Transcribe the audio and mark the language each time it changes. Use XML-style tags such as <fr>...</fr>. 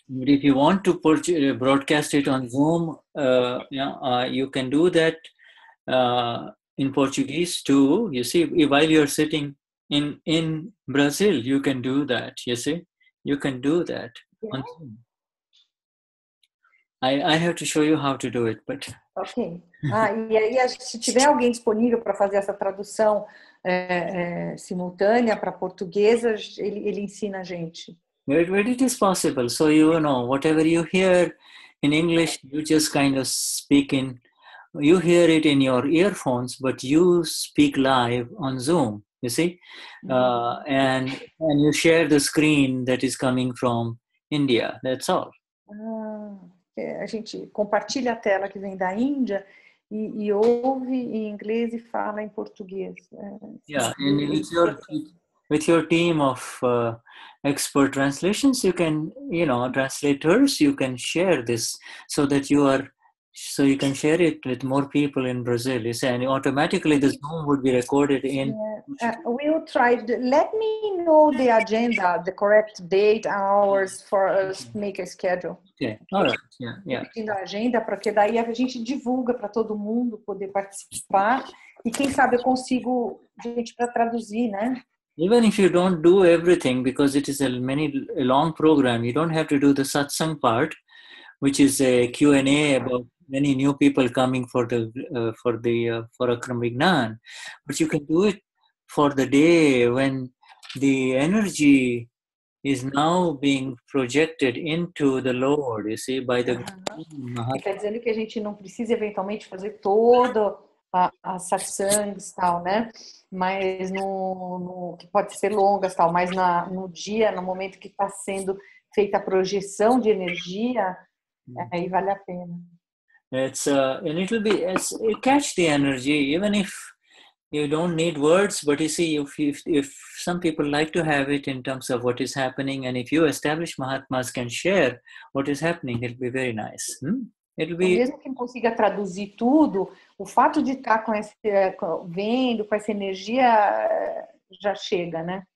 <en>But if you want to broadcast it on Zoom, you can do that in Portuguese too. You see, while you're sitting. In Brazil, you can do that, you see? You can do that. Yeah. I have to show you how to do it, but... Okay.</en> <pt>Ah, e aí, se tiver alguém disponível para fazer essa tradução simultânea para português, ele ensina a gente.</pt> <en>But it is possible. So, you know, whatever you hear in English, you just kind of speak in... You hear it in your earphones, but you speak live on Zoom. You see, and you share the screen that is coming from India. That's all.</en> <pt>A gente compartilha a tela que vem da Índia e ouve em inglês e fala em português.</pt> <en>Yeah, and with your team of expert translations, you can, you know, translators, you can share this so you can share it with more people in Brazil. You see, and automatically the Zoom would be recorded in. We'll try. Let me know the agenda, the correct date, hours for us to make a schedule. Okay. All right. Yeah.</en> <pt>Indo a agenda, porque daí a gente divulga para todo mundo poder participar. E quem sabe eu consigo gente para traduzir, né?</pt> <en>Even if you don't do everything, because it is a long program, you don't have to do the satsang part, which is a Q&A about many new people coming for Akram Vignan. But you can do it for the day when the energy is now being projected into the Lord, you see, by the Mahatma.</en> <pt>Está dizendo que a gente não precisa eventualmente fazer todo a satsang e tal, né? Mas no que pode ser longas tal, mas no dia, no momento que está sendo feita a projeção de energia, aí vale a pena.</pt> <en>It's and it will be as you catch the energy, even if you don't need words, but you see, if some people like to have it in terms of what is happening, and if you establish Mahatmas can share what is happening, it'll be very nice.</en> <pt>Mesmo que não consiga traduzir tudo, o fato de estar com esse vendo com essa energia já chega, né?</pt>